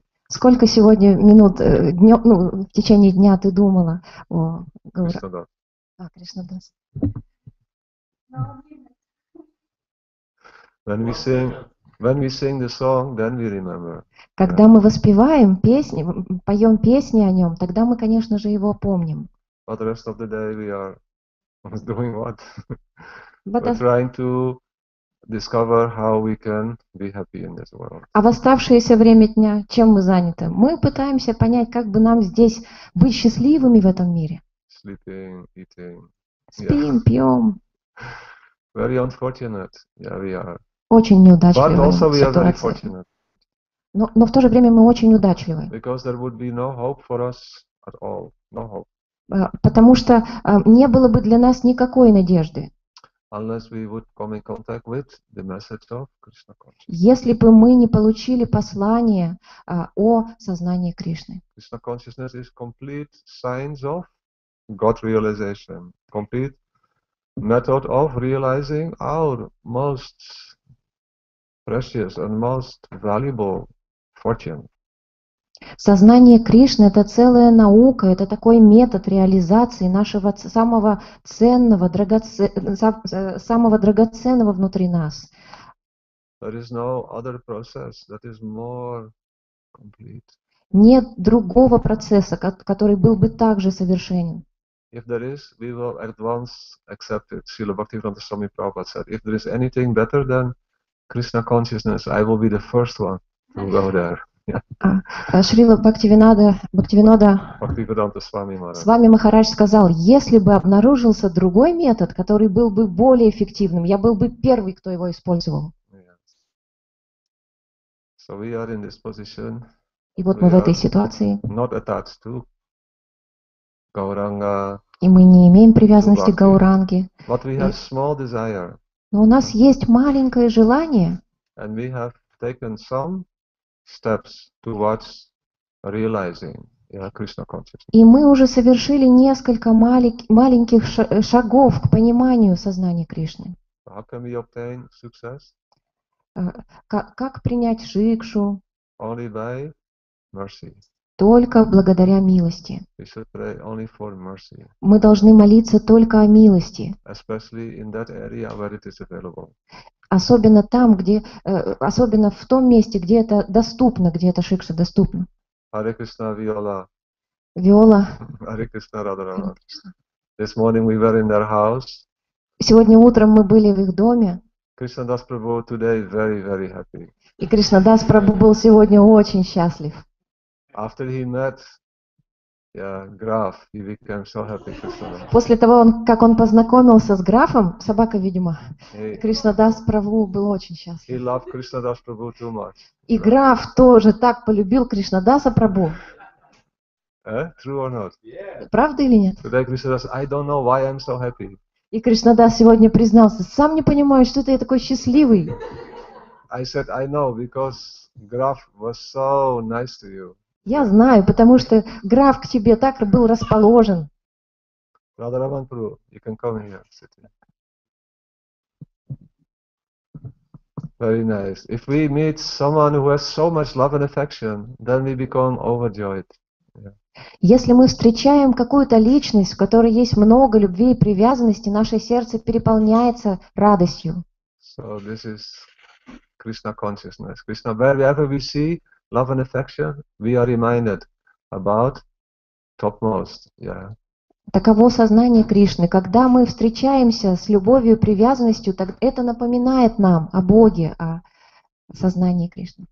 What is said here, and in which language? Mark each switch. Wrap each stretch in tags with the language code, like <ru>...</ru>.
<ru>Сколько сегодня минут в течение дня ты думала о Гауранге? Кришнадас.</ru> <en>When we sing the song, then we remember.</en> <ru>Когда мы воспеваем песни, поем песни о нем, тогда мы, конечно же, его помним.</ru> <en>But the rest of the day we are doing what? We're trying to discover how we can be happy in this world.</en> <ru>А в оставшееся время дня чем мы заняты? Мы пытаемся понять, как бы нам здесь быть счастливыми в этом мире.</ru> <en>Sleeping, eating.</en> <ru>Спим, пьем.</ru> <en>Very unfortunate. Yeah, we are.</en> <ru>Очень неудачливая ситуация.</ru> <en>But also we</en> <ru>ситуации.</ru> <en>Are very fortunate.</en> <ru>Но в то же время мы очень удачливы.</ru> <en>Because there would be no hope for us at all. No hope.</en> <ru>Потому что не было бы для нас никакой надежды.</ru> <en>Unless we would come in contact with the message of Krishna consciousness.</en> <ru>Если бы мы не получили послание о сознании Кришны.</ru> <en>Krishna consciousness is complete signs of God realization, complete method of realizing our most precious and most valuable fortune.</en> <ru>Сознание Кришны – это целая наука, это такой метод реализации нашего самого драгоценного внутри нас.</ru> <en>There is no other process that is more complete.</en> <ru>Нет другого процесса, который был бы также совершенен.</ru> <en>If there is, we will at once accept it. Srila Bhaktivedanta Swami Prabhupada said, if there is anything better than Krishna consciousness, I will be the first one to go there.</en> <ru>Шрила Бхактивинода с вами Махарадж сказал, если бы обнаружился другой метод, который был бы более эффективным, я был бы первый, кто его использовал.</ru> <en>Yes. So we are in this position.</en> <ru>И вот мы в этой ситуации.</ru> <en>Not attached to Gauranga,</en> <ru>И мы не имеем привязанности к Гауранге.</ru> <en>But we have small desire.</en> <ru>Но у нас есть маленькое желание.</ru> <en>And we have taken some steps towards realizing Krishna consciousness.</en> <ru>И мы уже совершили несколько маленьких шагов к пониманию сознания Кришны.</ru> <en>How can we obtain success?</en> <ru>Как принять шикшу?</ru> <en>Only by mercy.</en> <ru>Только благодаря милости.</ru> <en>We should pray only for mercy.</en> <ru>Мы должны молиться только о милости.</ru> <en>Especially in that area where it is available.</en> <ru>Особенно там, где, особенно в том месте, где это доступно, где эта шикша доступна.</ru> <en>Hare Krishna, Viola.</en> <ru>Виола.</ru> <en>Hare Krishna, Radharana. This morning we were in their house.</en> <ru>Сегодня утром мы были в их доме.</ru> <en>Krishna Das Prabhu today very, very happy.</en> <ru>И Кришна Дас Прабху был сегодня очень счастлив.</ru> <en>After he met, Graf, he became so happy.</en> <ru>После того, как он познакомился с графом, собака, видимо, Кришна Дас Прабху был очень счастлив.</ru> <en>He loved Krishna Das Prabhu too much.</en> <ru>И граф тоже так полюбил Кришна Даса Прабху.</ru> <en>True or not? Yeah.</en> <ru>Правда или нет?</ru> <en>Today Krishna Das, I don't know why I'm so happy.</en> <ru>И Кришна Дас сегодня признался: сам не понимаю, что это я такой счастливый.</ru> <en>I said, I know, because Graf was so nice to you.</en> <ru>Я знаю, потому что граф к тебе так был расположен.</ru> <en>Brother Raman Prabhu, you can come here, sit here. Very nice. If we meet someone who has so much love and affection, then we become overjoyed.</en> <ru>Если мы встречаем какую-то личность, в которой есть много любви и привязанности, наше сердце переполняется радостью.</ru> <en>So this is Krishna consciousness. Krishna, wherever we see love and affection, we are reminded about topmost. Yeah.</en> <ru>Таково сознание Кришны. Когда мы встречаемся с любовью и привязанностью, так это напоминает нам о Боге, о сознании Кришны.</ru>